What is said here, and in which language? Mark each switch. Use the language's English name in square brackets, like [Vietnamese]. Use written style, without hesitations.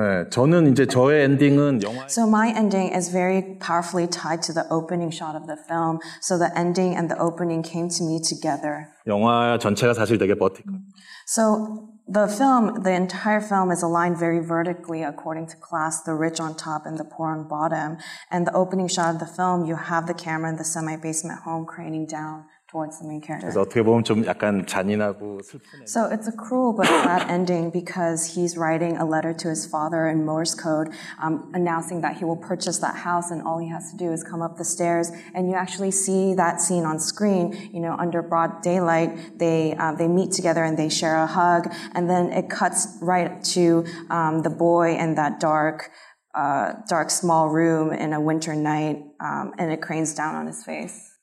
[Korean] 저는 이제 저의 엔딩은 영화. [English] So my ending is very powerfully tied to the opening shot of the film. So the ending and the opening came to me together. [Korean] 영화 전체가 사실 되게 버티컬. [English] So the film, the entire film is aligned very vertically according to class, the rich on top and the poor on bottom. And the opening shot of the film, you have the camera in the semi-basement home craning down towards the main character. [Korean] 그래서 어떻게 보면 좀 약간 잔인하고 슬픈. [English] So it's a cruel but sad ending because he's writing a letter to his father in Morse code, announcing that he will purchase that house, and all he has to do is come up the stairs. And you actually see that scene on screen. You know, under broad daylight, they meet together and they share a hug, and then it cuts right to the boy in that dark small room in a winter night, and it cranes down on his face.